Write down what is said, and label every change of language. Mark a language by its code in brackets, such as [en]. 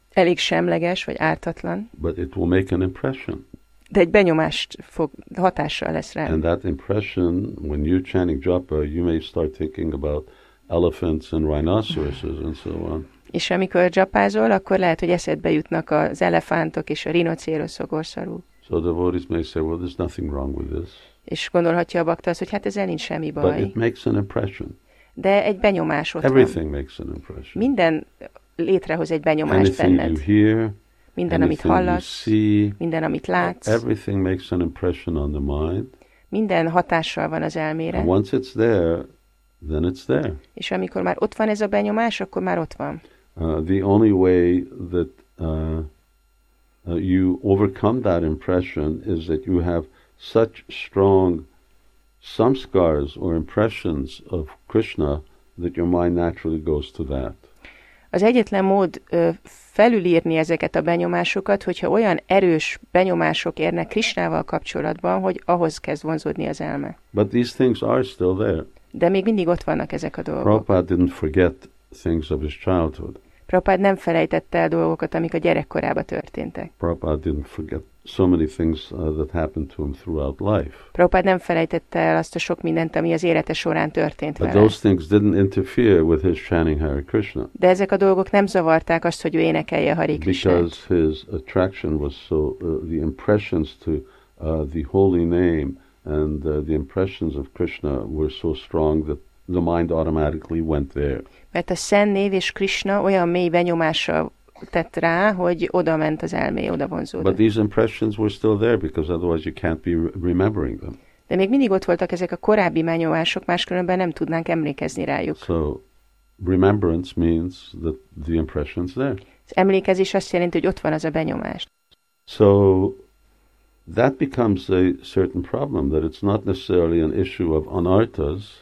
[hu] Elég semleges vagy ártatlan. [en] But it will make an impression. [hu] De egy benyomást fog, hatással lesz rá. [en] And that impression, when you're chanting japa, you may start thinking about elephants and rhinoceroses and so on. [hu] És amikor japázol, akkor lehet, hogy eszedbe jutnak az elefántok és a rinocéroszok orszarú. [en] So the devotees may say, well, there's nothing wrong with this. [hu] És gondolhatja a bakta azt, hogy hát ezzel nincs semmi baj. [en] But it makes an impression. [hu] De egy benyomás ott [en] Everything [hu] van. [en] Makes an impression. [hu] Minden létrehoz egy benyomást [en] anything [hu] benned. [en] You hear, [hu] minden, amit hallasz, [en] see, [hu] minden, amit látsz. [en] Everything makes an impression on the mind. [hu] Minden hatással van az elmére. [en] And once it's there, then it's there. [hu] És amikor már ott van ez a benyomás, akkor már ott van. [en] The only way that you overcome that impression is that you have such strong samskaras or impressions of Krishna that your mind naturally goes to that. [hu] Az egyetlen mód felülírni ezeket a benyomásokat, hogyha olyan erős benyomások érnek Krishnával kapcsolatban, hogy ahhoz kezd vonzódni az elme. [en] But these things are still there. [hu] De még mindig ott vannak ezek a dolgok. [en] Prabhupada didn't forget things of his childhood. [hu] Prabhupada nem felejtette el dolgokat, amik a gyerekkorában történtek. [en] Prabhupada didn't forget so many things that happened to him throughout life. [hu] Prabhupada nem felejtette el azt a sok mindent, ami az élete során történt vele. [en] But those things didn't interfere with his chanting Hare Krishna. [hu] De ezek a dolgok nem zavarták azt, hogy ő énekelje Hare Krishnát. [en] Because his attraction was so, the impressions to the holy name and the impressions of Krishna were so strong that the mind automatically went there. [hu] Mert a szent név és Krishna olyan mély benyomással tett rá, hogy oda ment az elmé, oda vonzódott. [en] But these impressions were still there, because otherwise you can't be remembering them. [hu] De még mindig ott voltak ezek a korábbi benyomások, máskülönben nem tudnánk emlékezni rájuk. [en] So, remembrance means that the impression's there. [hu] Az emlékezés azt jelenti, hogy ott van az a benyomás. [en] So, that becomes a certain problem, that it's not necessarily an issue of anartas.